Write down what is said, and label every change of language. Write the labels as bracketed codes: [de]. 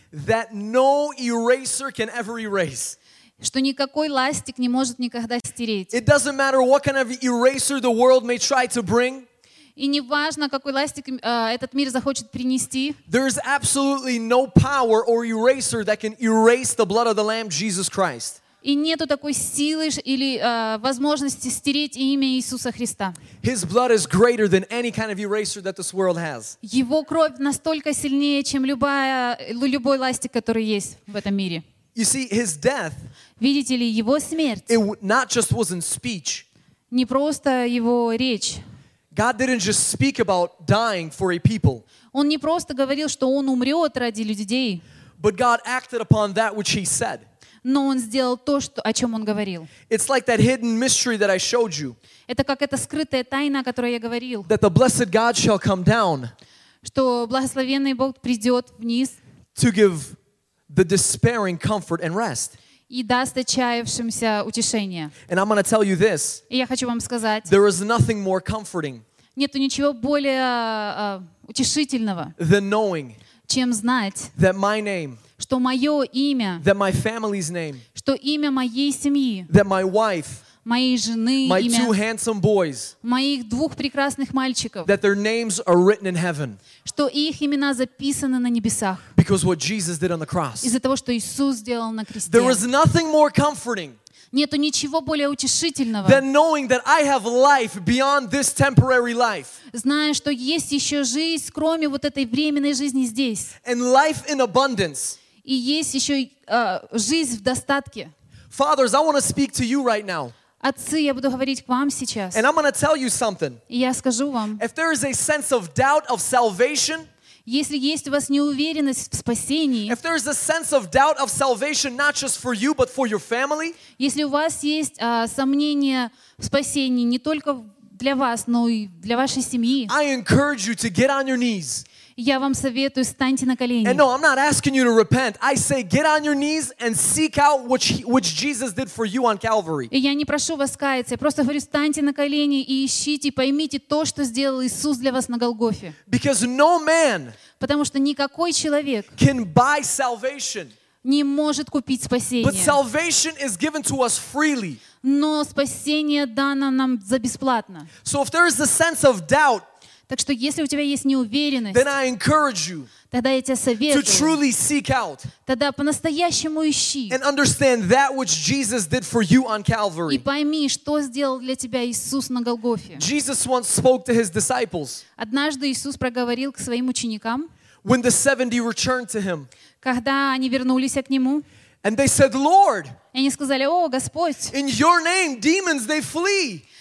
[en] that no eraser can ever erase. [ru] Что никакой ластик не может никогда стереть. [en] It doesn't matter what kind of eraser the world may try to bring. [ru] И неважно, какой ластик этот мир захочет принести. [en] There is absolutely no power or eraser that can erase the blood of the Lamb, Jesus Christ. [ru] И нету такой силы или возможности стереть имя Иисуса Христа. [en] His blood is greater than any kind of eraser that this world has. [ru] Его кровь настолько сильнее, чем любой ластик, который есть в этом мире. [en] You see, his death. [ru] Видите ли, его смерть. [en] It not just wasn't speech. [ru] Не просто его речь. [en] God didn't just speak about dying for a people. [ru] Он не просто говорил, что он умрет ради людей. [en] But God acted upon that which he said. [ru] Но он сделал то, что, о чем он говорил. [en] It's like that hidden mystery that I showed you. [ru] Это как эта скрытая тайна, о которой я говорил. [en] That the blessed God shall come down. [ru] Что благословенный Бог придет вниз. [en] To give the despairing comfort and rest. [ru] И даст отчаявшимся утешение. [en] And I'm going to tell you this. [ru] И я хочу вам сказать. [en] There is nothing more comforting. [ru] Нету ничего более утешительного. [en] Than knowing. [ru] Чем знать. [en] That my name. [ru] Что мое имя. [en] That my family's name. [ru] Что имя моей семьи. [en] That my wife. [ru] Моей жены [en] my [ru] имя. [en] My two handsome boys. [ru] Моих двух прекрасных мальчиков. [en] That their names are written in heaven. [ru] Что их имена записаны на небесах. [en] Because what Jesus did on the cross. [ru] Из-за того, что Иисус сделал на кресте. [en] There is nothing more comforting. [ru] Нету ничего более утешительного. [en] Than knowing that I have life beyond this temporary life. [ru] Зная, что есть еще жизнь, кроме вот этой временной жизни здесь. [en] And life in abundance. [ru] И есть еще жизнь в достатке. [en] Fathers, I want to speak to you right now. [ru] Отцы, я буду говорить к вам сейчас. [en] And I'm going to tell you something. [ru] И я скажу вам. [en] If there is a sense of doubt of salvation. [ru] Если есть у вас неуверенность в спасении, [en] if there is a sense of doubt of salvation, not just for you, but for your family, [ru] если у вас есть сомнения в спасении не только для вас, но и для вашей семьи, [en] I encourage you to get on your knees. [ru] Я вам советую, встаньте на колени. [en] And no, I'm not asking you to repent. I say, get on your knees and seek out which Jesus did for you on Calvary. [ru] И я не прошу вас каяться. Я просто говорю, встаньте на колени и ищите, поймите то, что сделал Иисус для вас на Голгофе. [en] Because no man, [ru] потому что никакой человек, [en] can buy salvation. [ru] Не может купить спасение. [en] But salvation is given to us freely. [ru] Но спасение дано нам за бесплатно. [en] So if there is a sense of doubt, [ru] Так что если у тебя есть неуверенность, [en] then I encourage you [ru] тогда я тебя советую, [en] to truly seek out [ru] тогда по-настоящему ищи, [en] and understand that which Jesus did for you on Calvary. [ru] И пойми, что сделал для тебя Иисус на Голгофе. [en] Jesus once spoke to his disciples. [ru] Однажды Иисус проговорил к своим ученикам, [en] when the 70 returned to him, [ru] когда они вернулись к нему, [en] and they said, Lord, [ru] они сказали, о, Господь, [en] in your name demons they flee.